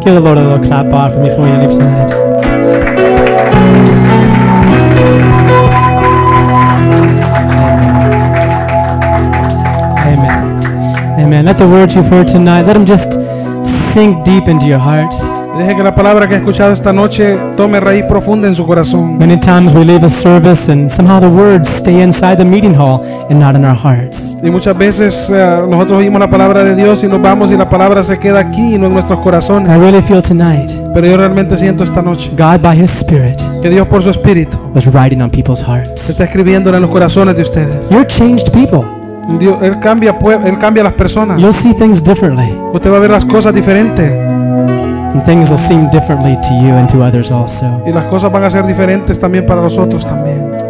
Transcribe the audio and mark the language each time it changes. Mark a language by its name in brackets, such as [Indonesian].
[English] Give the Lord a little clap bar for me before you leave tonight. Amen. Amen. Let the words you've heard tonight, let them just sink deep into your heart. [Spanish] Deje que la palabra que he escuchado esta noche tome raíz profunda en su corazón. [English] Many times we leave a service and somehow the words stay inside the meeting hall and not in our hearts. [Spanish] Y muchas veces nosotros oímos la palabra de Dios y nos vamos y la palabra se queda aquí y no en nuestros corazones. [English] I really feel tonight. [Spanish] Pero yo realmente siento esta noche. [English] God by His Spirit. [Spanish] Que Dios por su Espíritu. [English] Was writing on people's hearts. [Spanish] Está escribiendo en los corazones de ustedes. [English] You're changed people. [Spanish] Dios, él cambia las personas. [English] You'll see things differently. [Spanish] Usted va a ver las cosas diferente. [English] And things will seem differently to you and to others also. [Spanish] Y las cosas van a ser diferentes también para nosotros también.